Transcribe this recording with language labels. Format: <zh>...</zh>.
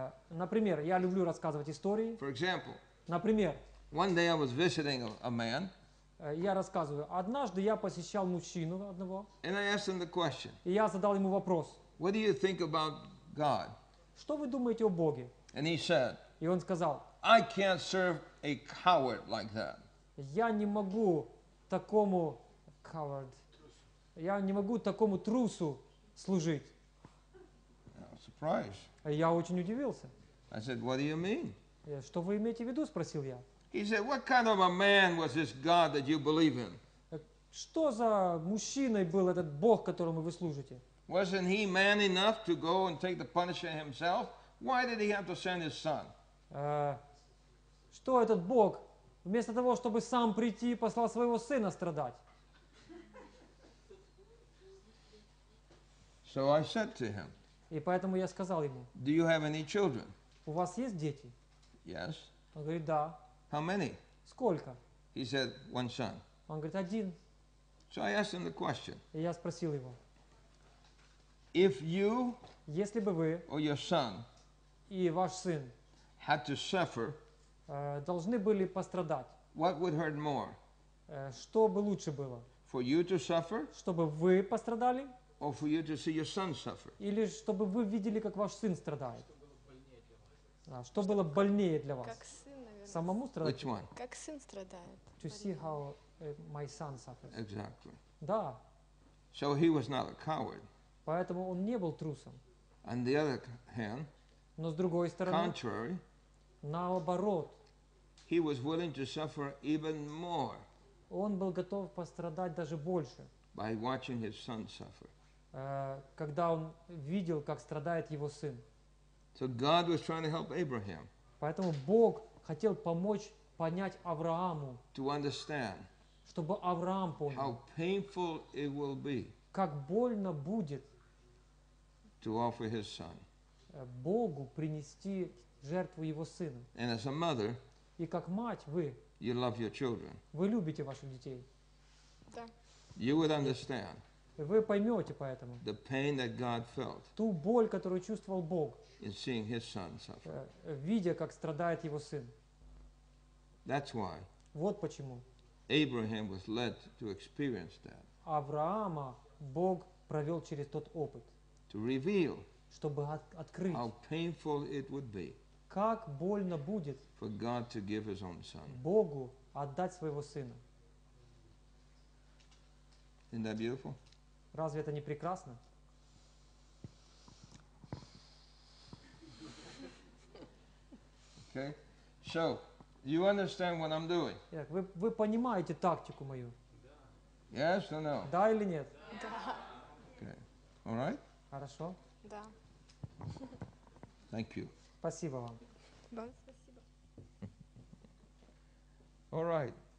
<ru>Например, я люблю рассказывать истории.</ru> <en>For example,</en> <ru>например,</ru> <en>one day I was visiting a man.</en> <ru>Я рассказываю. Однажды я посещал мужчину одного.</ru> <en>And I asked him the question.</en> <ru>И я задал ему вопрос.</ru> <en>What do you think about God?</en> <ru>Что вы думаете о Боге?</ru> <en>And he said.</en> <ru>И он сказал.</ru> <en>I can't serve a coward like that.</en> <ru>Я не могу такому coward. Я не могу такому трусу служить.</ru> <en>Surprise.</en> <ru>Я очень удивился.</ru> <en>I said, what do you mean?</en> <ru>Что вы имеете в виду? Спросил я.</ru> <en>He said, "What kind of a man was this God that you believe in?"</en> <ru>Что за мужчиной был этот Бог, которому вы служите?</ru> <en>Wasn't he man enough to go and take the punishment himself? Why did he have to send his son?</en> <ru>Что этот Бог вместо того, чтобы сам прийти, послал своего сына страдать?</ru> <en>So I said to him.</en> <ru>И поэтому я сказал ему.</ru> <en>Do you have any children?</en> <ru>У вас есть дети?</ru> <en>Yes.</en> <ru>Он говорит, да.</ru> <en>How many?</en> <ru>Сколько?</ru> <en>He said, one son.</en> <ru>Он говорит, один.</ru> <en>So I asked him the question.</en> <ru>И я спросил его.</ru> <en>If you,</en> <ru>если бы вы,</ru> <en>or your son,</en> <ru>и ваш сын,</ru> <en>had to suffer,</en> <ru>должны были пострадать,</ru> <en>what would hurt more?</en> <ru>Что бы лучше было?</ru> <en>For you to suffer,</en> <ru>чтобы вы пострадали,</ru> <en>or for you to see your son suffer?</en> <ru>Или чтобы вы видели, как ваш сын страдает? Что было больнее для вас? Как сын. Самому страдать?</ru> <en>Which one?</en> <ru>Как сын страдает.</ru> <en>To see how my son suffers. Exactly.</en> <ru>Да.</ru> <en>So he was not a coward.</en> <ru>Поэтому он не был трусом.</ru> <en>On the other hand,</en> <ru>но с другой стороны,</ru> <en>contrary,</en> <ru>наоборот,</ru> <en>he was willing to suffer even more.</en> <ru>Он был готов пострадать даже больше.</ru> <en>By watching his son suffer.</en> <ru>Когда он видел, как страдает его сын.</ru> <en>So God was trying to help Abraham.</en> <ru>Поэтому Бог хотел помочь понять Аврааму,</ru> <en>to understand,</en> <ru>чтобы Авраам понял,</ru> <en>how painful it will be,</en> <ru>как больно будет,</ru> <en>to offer his son,</en> <ru>Богу принести жертву его сына.</ru> <en>And as a mother,</en> <ru>и как мать вы,</ru> <en>you love your children,</en> <ru>вы любите ваших детей. Да.</ru> <en>You would understand,</en> <ru>вы поймете поэтому,</ru> <en>the pain that God felt,</en> <ru>ту боль, которую чувствовал Бог.</ru> <en>In seeing his son suffer.</en> <ru>Видя, как страдает его сын.</ru> <en>That's why.</en> <ru>Вот почему.</ru> <en>Abraham was led to experience that.</en> <ru>Авраама Бог провел через тот опыт.</ru> <en>To reveal.</en> <ru>Чтобы открыть.</ru> <en>How painful it would be.</en> <ru>Как больно будет.</ru> <en>For God to give his own son.</en> <ru>Богу отдать своего сына.</ru> <en>Isn't that beautiful?</en> <ru>Разве это не прекрасно?</ru> <en>Okay. So, you understand what I'm doing?</en> <ru>Итак, вы понимаете тактику мою?</ru> <en>Yes or no?</en> <ru>Да или нет? Да.</ru> <en>Okay. All right?</en> <ru>Хорошо. Да.</ru> <en>Thank you.</en> <ru>Спасибо вам. Вам спасибо.</ru> <en>All right.</en>